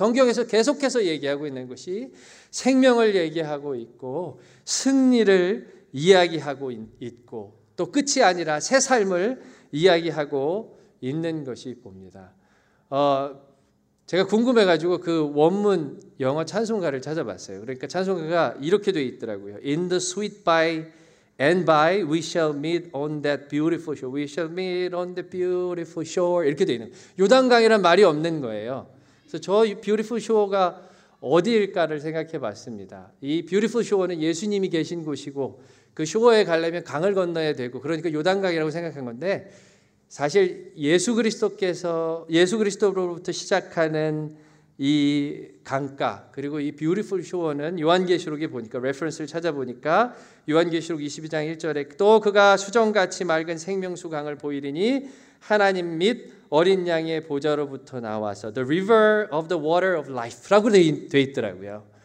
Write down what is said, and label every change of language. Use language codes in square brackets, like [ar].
[ko] 성경에서 계속해서 얘기하고 있는 것이 생명을 얘기하고 있고 승리를 이야기하고 있고 또 끝이 아니라 새 삶을 이야기하고 있는 것이 봅니다. 제가 궁금해가지고 그 원문 영어 찬송가를 찾아봤어요. 그러니까 찬송가가 이렇게 되어 있더라고요. [en] In the sweet by and by we shall meet on that beautiful shore. We shall meet on the beautiful shore. [ko] 이렇게 되어 있는 요단강이란 말이 없는 거예요. 그래서 저 [en] beautiful shore [ko] 가 어디일까를 생각해 봤습니다. 이 [en] beautiful shore [ko] 는 예수님이 계신 곳이고 그 shore에 가려면 강을 건너야 되고 그러니까 요단강이라고 생각한 건데 사실 예수 그리스도로부터 시작하는 이 강가 그리고 이 beautiful shore는 요한계시록에 보니까 레퍼런스를 찾아보니까 요한계시록 22장 1절에 또 그가 수정같이 맑은 생명수 강을 보이리니 하나님 및 어린 양의 보좌로부터 나와서 [en] The river of the water of life [ko] 라고 돼 있더라고요.